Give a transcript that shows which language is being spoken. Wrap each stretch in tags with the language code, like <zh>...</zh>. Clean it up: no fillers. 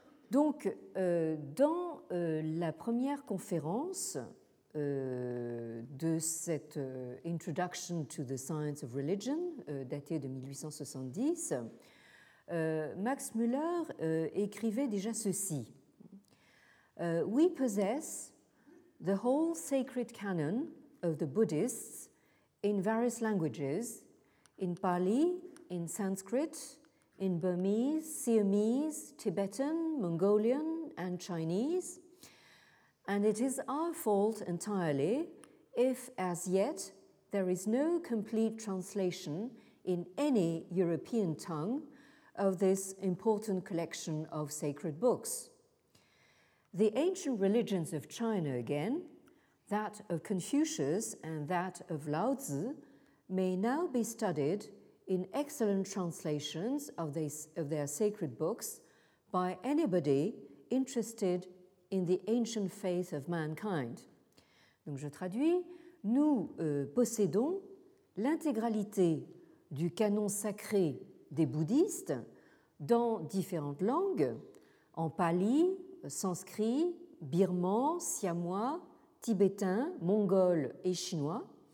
<fr>Donc, dans la première conférence de cette Introduction to the Science of Religion, datée de 1870, Max Müller écrivait déjà ceci.</fr> <en>We possess the whole sacred canon of the Buddhists in various languages, in Pali, in Sanskrit, in Burmese, Siamese, Tibetan, Mongolian, and Chinese. And it is our fault entirely if, as yet, there is no complete translation in any European tongue of this important collection of sacred books. The ancient religions of China again, that of Confucius and that of Laozi, may now be studied in excellent translations of their sacred books by anybody interested in the ancient faith of mankind.</en> <fr>Donc je traduis, nous possédons l'intégralité du canon sacré des bouddhistes dans différentes langues, en pali, sanskrit, birman, siamois, tibétain, mongol et chinois,</fr>